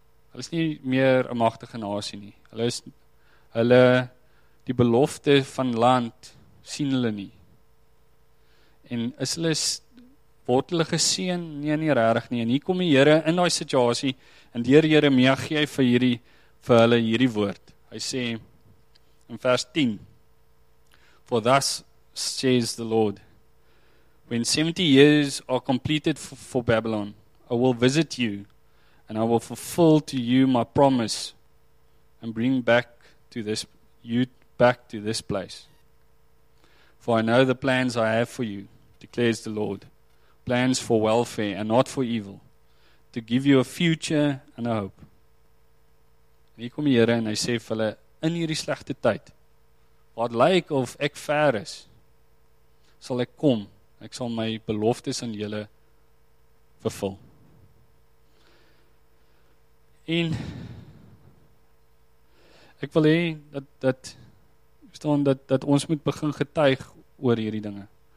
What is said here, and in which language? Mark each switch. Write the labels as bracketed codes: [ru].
[af] Hulle is nie meer 'n magtige nasie nie. Hulle die belofte van land sien hulle nie. En is hulle word hulle geseën? Nee, regtig nie. En hier kom die Here in daai situasie en deur Jeremia gee hy vir hulle hierdie woord. Hy sê in vers 10: [en] "For thus says the Lord, when 70 years are completed for Babylon, I will visit you and I will fulfill to you my promise and bring you back to this place. For I know the plans I have for you, declares the Lord, plans for welfare and not for evil, to give you a future and a hope." [af] En hier kom die Here en hy sê vir hulle, in hierdie slegte tyd, wat lyk of ek ver is, sal ek kom, ek sal my beloftes aan julle vervul. En ek wil hê dat ons moet begin getuig oor hierdie dinge.